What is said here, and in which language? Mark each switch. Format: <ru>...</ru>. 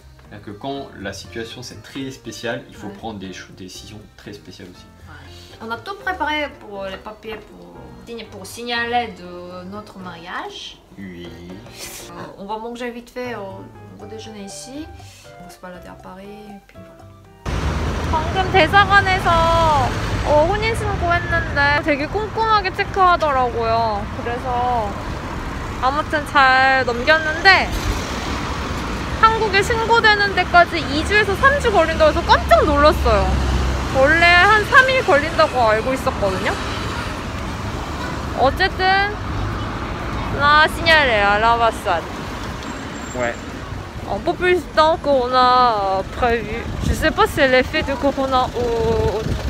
<fr>C'est-à-dire que quand la situation c'est très spéciale, il faut prendre des décisions très spéciales aussi. Ouais. On a tout préparé pour les papiers pour signaler de notre mariage. Oui. On va manger vite fait au déjeuner ici. On va se balader à Paris et puis voilà.</fr> <ko>방금 대사관에서 혼인신고 했는데 되게 꼼꼼하게 체크하더라고요. 그래서 아무튼 잘 넘겼는데 한국에 신고되는 데까지 2주에서 3주 걸린다고 해서 깜짝 놀랐어요. 원래 한 3일 걸린다고 알고 있었거든요. 어쨌든</ko> <fr>On a signalé à l'ambassade. Ouais. En peu plus de temps qu'on a prévu. Je sais pas si c'est l'effet du corona ou autre.</fr>